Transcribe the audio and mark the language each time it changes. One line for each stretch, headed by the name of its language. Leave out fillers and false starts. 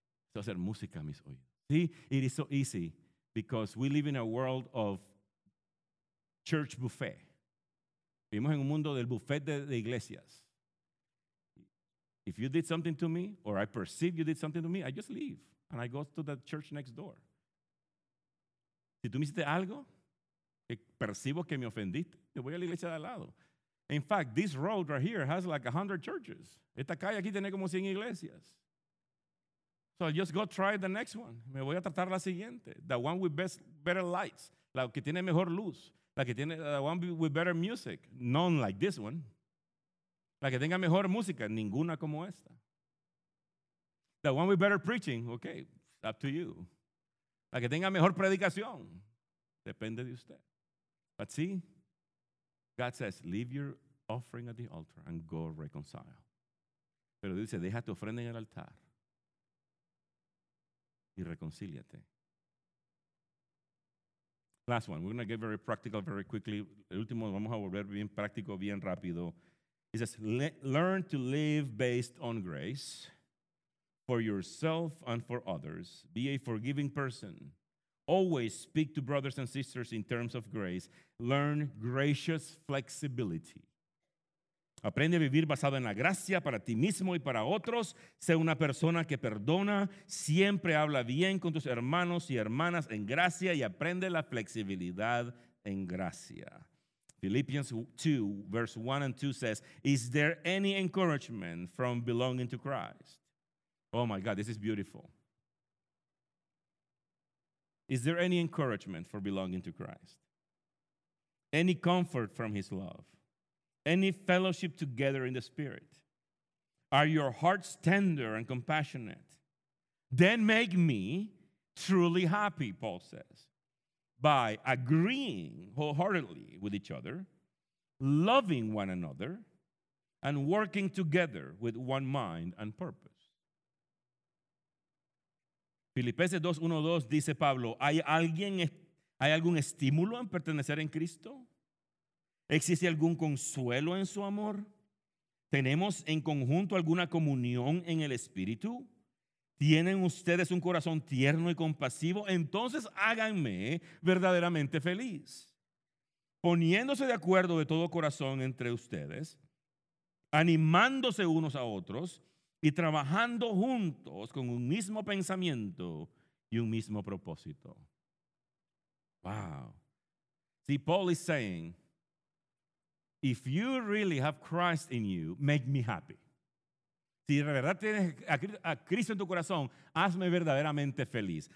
Spanish: Eso va a ser música a mis oídos.
English: See, it is so easy because we live in a world of church buffet.
Spanish: Vivimos en un mundo del buffet de iglesias.
English: If you did something to me, or I perceive you did something to me, I just leave. And I go to the church next door.
Spanish: Si tú me hiciste algo, percibo que me ofendiste, voy a la iglesia de al lado.
English: In fact, this road right here has like 100 churches.
Spanish: Esta calle aquí tiene como 100 iglesias.
English: So I just go try the next one.
Spanish: Me voy a tratar la siguiente.
English: The one with better lights.
Spanish: La que tiene mejor luz. La que tiene
English: the one with better music. None like this one.
Spanish: La que tenga mejor música. Ninguna como esta.
English: The one with better preaching, okay, up to you.
Spanish: La que tenga mejor predicación, depende de usted.
English: But see, God says, leave your offering at the altar and go reconcile.
Spanish: Pero dice, deja tu ofrenda en el altar y reconcíliate.
English: Last one, we're going to get very practical very quickly.
Spanish: El último, vamos a volver bien práctico, bien rápido.
English: It says, learn to live based on grace. For yourself and for others, be a forgiving person Always speak to brothers and sisters in terms of grace. Learn gracious flexibility.
Spanish: Aprende a vivir basado en la gracia para ti mismo y para otros. Sé una persona que perdona. Siempre habla bien con tus hermanos y hermanas en gracia y aprende la flexibilidad en gracia.
English: Philippians 2, verse 1 and 2 says, is there any encouragement from belonging to Christ? Oh my God, this is beautiful. Is there any encouragement for belonging to Christ? Any comfort from his love? Any fellowship together in the Spirit? Are your hearts tender and compassionate? Then make me truly happy, Paul says, by agreeing wholeheartedly with each other, loving one another, and working together with one mind and purpose.
Spanish: Filipenses 2:1-2 dice Pablo, ¿hay algún estímulo en pertenecer en Cristo? ¿Existe algún consuelo en su amor? ¿Tenemos en conjunto alguna comunión en el Espíritu? ¿Tienen ustedes un corazón tierno y compasivo? Entonces háganme verdaderamente feliz. Poniéndose de acuerdo de todo corazón entre ustedes, animándose unos a otros y trabajando juntos con un mismo pensamiento y un mismo propósito. Wow.
English: See, Paul is saying, if you really have Christ in you, make me happy.
Spanish: Si de verdad tienes a Cristo en tu corazón, hazme verdaderamente feliz.